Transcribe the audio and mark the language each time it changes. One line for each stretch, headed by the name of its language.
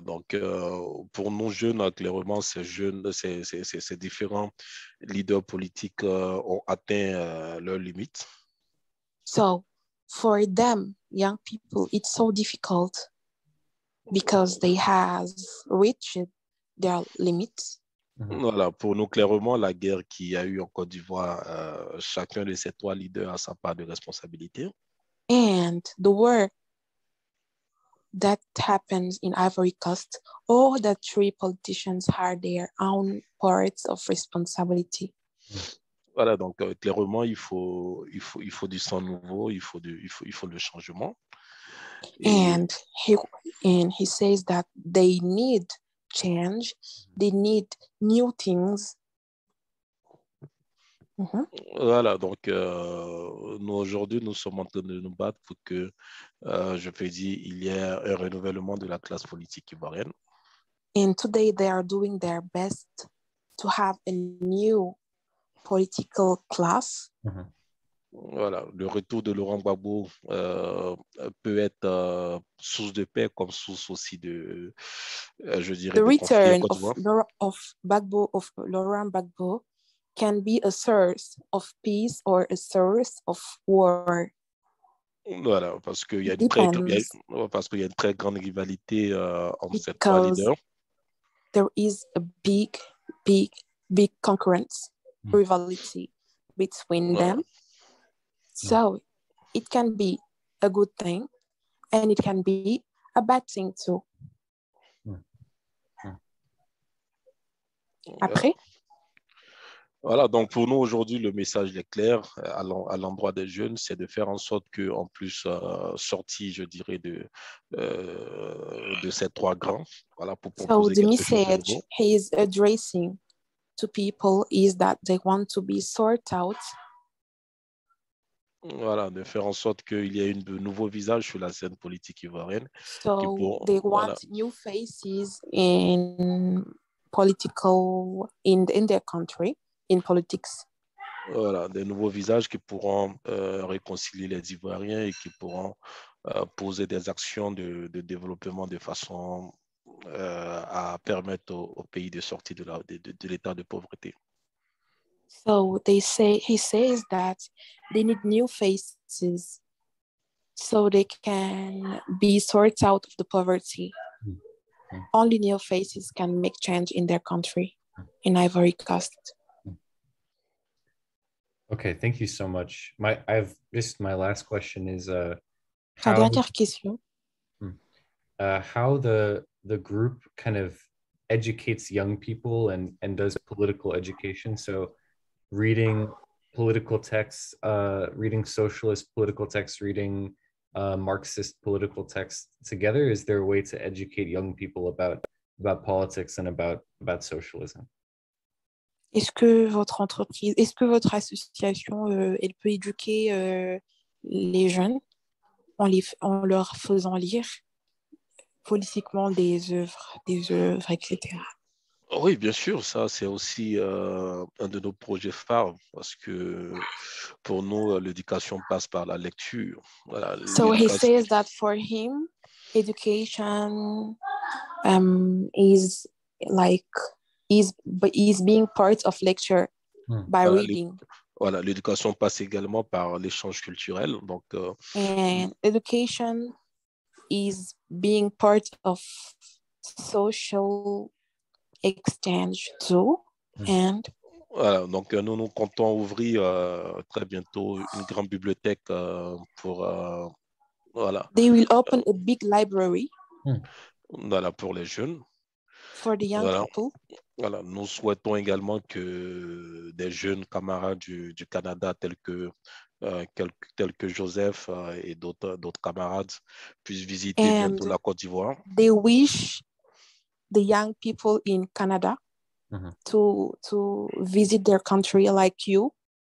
French: Donc, pour nous jeunes, clairement, ces jeunes, ces différents leaders politiques ont atteint leurs limites.
English: So, for them, young people, it's so difficult because they have reached their limits.
French: Voilà, pour nous, clairement, la guerre qu'il y a eu en Côte d'Ivoire, chacun de ces trois leaders a sa part de responsabilité.
English: And the war that happens in Ivory Coast, all the three politicians have their own parts of responsibility.
French: Voilà, donc clairement, il faut du sang nouveau, il faut le changement.
English: And he says that they need change, they need new things. Mm-hmm.
French: Voilà, donc nous aujourd'hui, nous sommes en train de nous battre pour que, je peux dire, il y ait un renouvellement de la classe politique ivoirienne.
English: And today they are doing their best to have a new political class. Mm-hmm.
French: Voilà, le retour de Laurent Gbagbo peut être source de paix comme source aussi de, je dirais,
English: the return of Gbagbo, of Laurent Gbagbo, can be a source of peace or a source of war.
French: Voilà, parce qu'il y a une très grande rivalité entre ces trois leaders.
English: There is a big, big, big concurrence. Rivalry between them. So it can be a good thing and it can be a bad thing too.
French: Après? Voilà, donc pour nous aujourd'hui, le message est clair à l'endroit des jeunes, c'est de faire en sorte que, en plus, sortis, je dirais, de ces trois grands, voilà, pour proposer quelque chose.
English: So the message he is addressing to people is that they want to be sorted out.
French: Voilà, de faire en sorte qu'il y ait un nouveau visage sur la scène politique ivoirienne.
English: So they want new faces in political, in their country, in politics.
French: Voilà, des nouveaux visages qui pourront réconcilier les Ivoiriens et qui pourront poser des actions de développement de façon à permettre au pays de sortir de l'état de pauvreté.
English: So he says that they need new faces so they can be sorted out of the poverty. Mm-hmm. Only new faces can make change in their country, in Ivory Coast. Okay, thank you so much. My last question is how the group kind of educates young people and does political education. So reading political texts, reading socialist political texts, reading Marxist political texts together, is there a way to educate young people about politics and about socialism?
French: Est-ce que votre entreprise, est-ce que votre association, elle peut éduquer les jeunes en leur faisant lire politiquement des œuvres, etc. Oui, bien sûr, ça c'est aussi un de nos projets phares parce que pour nous, l'éducation passe par la lecture. Voilà,
English: so he says that for him, education is like is being part of lecture by reading.
French: Voilà, l'éducation passe également par l'échange culturel. Donc,
English: and education is being part of social exchange too. And
French: voilà, donc nous comptons ouvrir très bientôt une grande bibliothèque pour voilà.
English: They will open a big library.
French: Voilà, pour les jeunes.
English: For the young people.
French: Voilà, nous souhaitons également que des jeunes camarades du Canada tels que Joseph et d'autres camarades puissent visiter bientôt la Côte d'Ivoire.
English: They wish the young people in Canada to visit their country like you.